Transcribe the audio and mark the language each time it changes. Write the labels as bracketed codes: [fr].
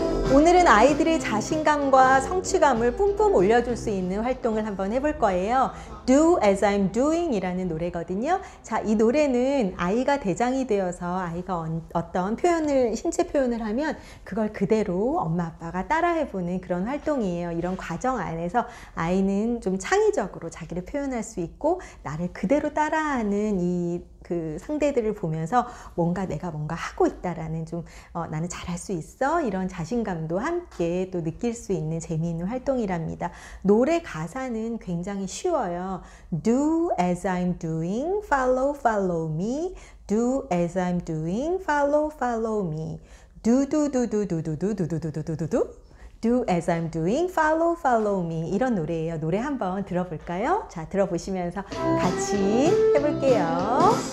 [ko] 오늘은 아이들의 자신감과 성취감을 뿜뿜 올려줄 수 있는 활동을 한번 해볼 거예요. [en] Do as I'm doing [ko] 이라는 노래거든요. 자, 이 노래는 아이가 대장이 되어서 아이가 어떤 표현을, 신체 표현을 하면 그걸 그대로 엄마 아빠가 따라해보는 그런 활동이에요. 이런 과정 안에서 아이는 좀 창의적으로 자기를 표현할 수 있고 나를 그대로 따라하는 이 그 상대들을 보면서 뭔가 내가 뭔가 하고 있다라는 좀 나는 잘할 수 있어 이런 자신감도 함께 또 느낄 수 있는 재미있는 활동이랍니다. 노래 가사는 굉장히 쉬워요. [en] Do as I'm doing, follow, follow me. Do as I'm doing, follow, follow me. Do do do do do do do do do do do do do do. Do as I'm doing, follow, follow me. [ko] 이런 노래예요. 노래 한번 들어볼까요? 자, 들어보시면서 같이 해볼게요.